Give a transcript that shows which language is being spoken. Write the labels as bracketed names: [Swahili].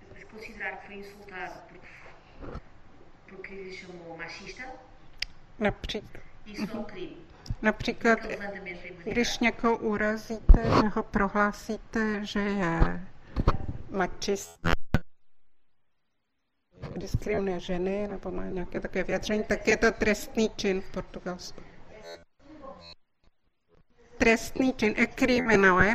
[Portuguese] considerar que foi insultado porque lhe chamou machista? [Czech] Například. [Portuguese] Isso é um crime. [Czech] Například, když někoho urazíte nebo prohlásíte, že je machista, diskriminuje ženy nebo má nějaké také vyjádření, tak je to trestný čin v Portugalsku. Trestný čin, [Portuguese] é crime, não é?